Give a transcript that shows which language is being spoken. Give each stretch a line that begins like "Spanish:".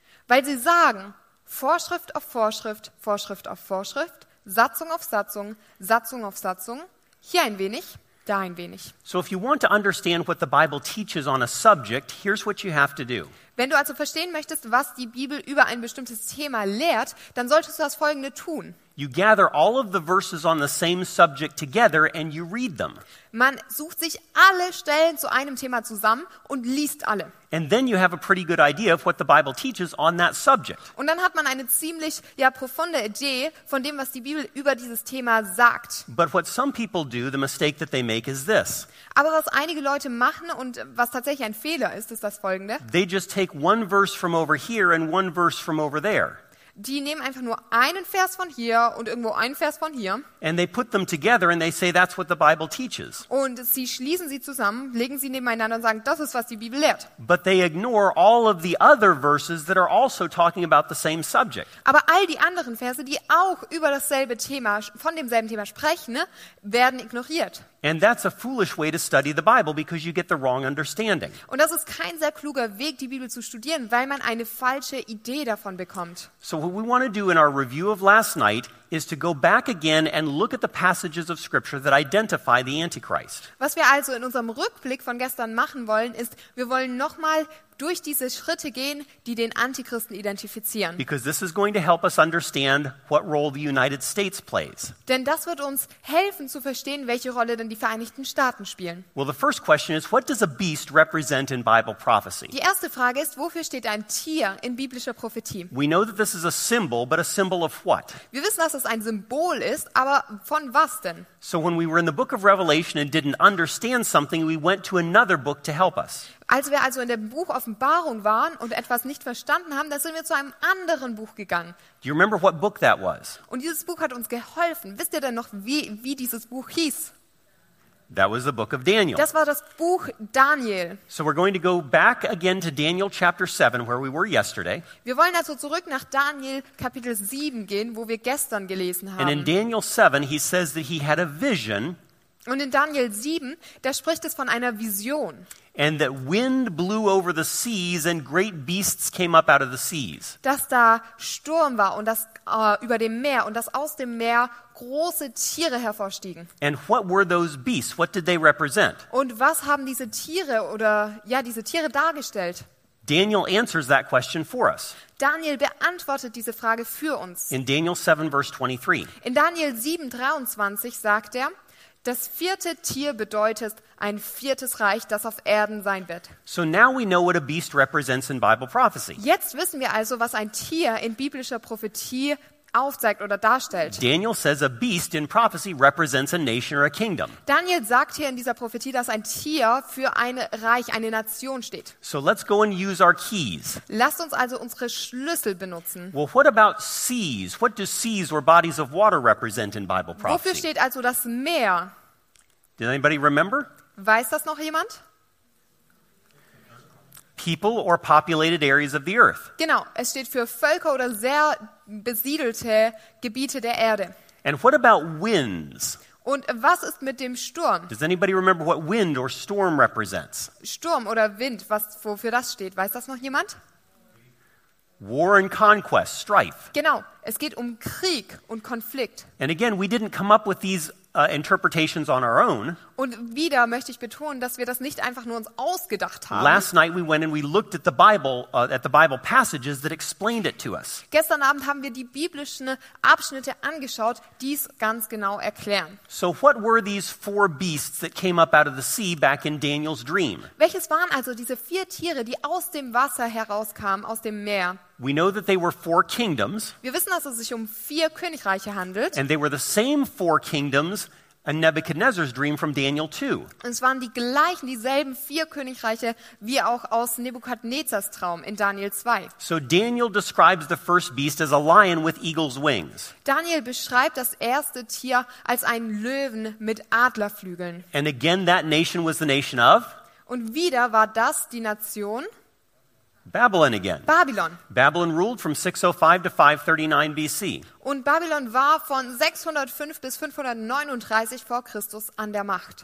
German: Weil sie sagen, Vorschrift auf Vorschrift, Vorschrift auf Vorschrift, Satzung auf Satzung, Satzung auf Satzung, hier ein wenig. Da ein wenig.
English: So if you want to understand what the Bible teaches on a subject, here's what you have to do.
German: Wenn du also verstehen möchtest, was die Bibel über ein bestimmtes Thema lehrt, dann solltest du das Folgende tun.
English: You gather all of the verses on the same subject together and you read them.
German: Man sucht sich alle Stellen zu einem Thema zusammen und liest alle.
English: And then you have a pretty good idea of what the Bible teaches on that subject.
German: Und dann hat man eine ziemlich profunde Idee von dem, was die Bibel über dieses Thema sagt.
English: But what some people do, the mistake that they make is this.
German: Aber was einige Leute machen und was tatsächlich ein Fehler ist, ist das Folgende.
English: They just take one verse from over here and one verse from over there.
German: Die nehmen einfach nur einen Vers von hier und irgendwo einen Vers von hier.
English: And they put them together and they say that's what the Bible teaches.
German: Und sie schließen sie zusammen, legen sie nebeneinander und sagen, das ist, was die Bibel lehrt.
English: But they ignore all of the other verses that are also talking about the same subject.
German: Aber all die anderen Verse, die auch über dasselbe Thema, von demselben Thema sprechen, werden ignoriert.
English: And that's a foolish way to study the Bible because you get the wrong understanding.
German: Und das ist kein sehr kluger Weg, die Bibel zu studieren, weil man eine falsche Idee davon bekommt.
English: So what we want to do in our review of last night is to go back again and look at the passages of scripture that identify the Antichrist.
German: Was wir also in unserem Rückblick von gestern machen wollen, ist, wir wollen nochmal durch diese Schritte gehen, die den Antichristen identifizieren.
English: Because this is going to help us understand what role the United States plays.
German: Denn das wird uns helfen zu verstehen, welche Rolle denn die Vereinigten Staaten spielen.
English: Well, the first question is, what does a beast represent in Bible prophecy?
German: Die erste Frage ist, wofür steht ein Tier in biblischer Prophetie?
English: We know that this is a symbol, but a symbol of what?
German: Wir wissen, dass es ein Symbol ist, aber von was denn?
English: So when we were in the book of Revelation and didn't understand something, we went to another book to help us.
German: Als wir also in dem Buch Offenbarung waren und etwas nicht verstanden haben, dann sind wir zu einem anderen Buch gegangen.
English: Do you remember what book that was?
German: Und dieses Buch hat uns geholfen. Wisst ihr denn noch, wie dieses Buch hieß?
English: That was the book of Daniel.
German: Das war das Buch Daniel.
English: So we're going to go back again to Daniel chapter 7 where we were yesterday.
German: Wir wollen also zurück nach Daniel Kapitel 7 gehen, wo wir gestern gelesen haben.
English: And in Daniel 7 he says that he had a vision.
German: Und in Daniel 7, da spricht es von einer Vision.
English: And that wind blew over the seas and great beasts came up out of the seas.
German: Dass da Sturm war und das über dem Meer und das aus dem Meer große Tiere hervorstiegen.
English: And what were those beasts? What did they represent?
German: Und was haben diese Tiere oder ja diese Tiere dargestellt?
English: Daniel answers that question for us.
German: Daniel beantwortet diese Frage für uns.
English: In Daniel 7 verse 23.
German: In Daniel 7 23 sagt er: Das vierte Tier bedeutet ein viertes Reich, das auf Erden sein wird.
English: So now we know what a beast represents in Bible prophecy.
German: Jetzt wissen wir also, was ein Tier in biblischer Prophetie aufzeigt oder darstellt.
English: Daniel says a beast in prophecy represents a nation or a kingdom.
German: Daniel sagt hier in dieser Prophetie, dass ein Tier für ein Reich, eine Nation steht.
English: So let's go and use our keys.
German: Lasst uns also unsere Schlüssel benutzen.
English: Well, what about seas? What do seas or bodies of water represent in Bible prophecy?
German: Wofür steht also das Meer?
English: Did anybody remember?
German: Weiß das noch jemand?
English: People or populated areas of the earth.
German: Genau, es steht für Völker oder sehr besiedelte Gebiete der Erde.
English: And what about winds?
German: Und was ist mit dem Sturm?
English: Does anybody remember what wind or storm represents?
German: Sturm oder Wind, was wofür das steht, weiß das noch jemand?
English: War and conquest, strife.
German: Genau, es geht um Krieg und Konflikt.
English: And again, we didn't come up with these interpretations on our own.
German: Und wieder möchte ich betonen, dass wir das nicht einfach nur uns ausgedacht haben.
English: Last night we went and we looked at the Bible passages that explained it to us.
German: Gestern Abend haben wir die biblischen Abschnitte angeschaut, die es ganz genau erklären.
English: So what were these four beasts that came up out of the sea back in Daniel's dream?
German: Welches waren also diese vier Tiere, die aus dem Wasser herauskamen, aus dem Meer?
English: We know that they were four kingdoms.
German: Wir wissen, dass es sich um vier Königreiche handelt.
English: And they were the same four kingdoms in Nebuchadnezzar's dream from Daniel 2.
German: Es waren die gleichen, dieselben vier Königreiche wie auch aus Nebukadnezars Traum in Daniel 2.
English: So Daniel describes the first beast as a lion with eagle's wings.
German: Daniel beschreibt das erste Tier als einen Löwen mit Adlerflügeln.
English: And again that nation was the nation of?
German: Und wieder war das die Nation
English: Babylon again.
German: Babylon.
English: Babylon ruled from 605 to 539 BC.
German: Und Babylon war von 605 bis 539 vor Christus an der Macht.